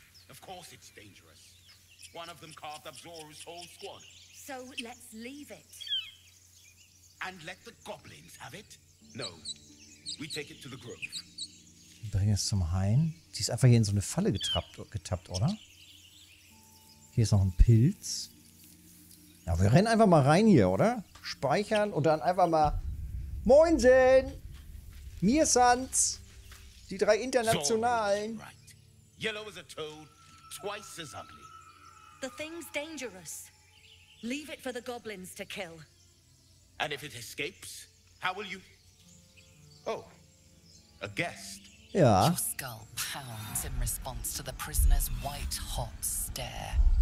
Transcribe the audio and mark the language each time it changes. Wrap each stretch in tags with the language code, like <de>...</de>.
<en>Of course it's dangerous. One of them carved up Zora's whole squad. So let's leave it. And let the goblins have it? No. We take it to the grove.</en> <de>Bring es zum Hain. Die ist einfach hier in so eine Falle getappt, oder? Hier ist noch ein Pilz. Ja, wir rennen einfach mal rein hier, oder? Speichern und dann einfach mal Moinsen! Mir sind's! Die drei Internationalen!</de> <en>Yellow is a toad, twice as ugly. The thing's dangerous. Leave it for the goblins to kill. And if it escapes, how will you... Oh, a guest.</en> <de>Ja.</de> <en>Your skull pounds in response to the prisoner's white hot stare.</en>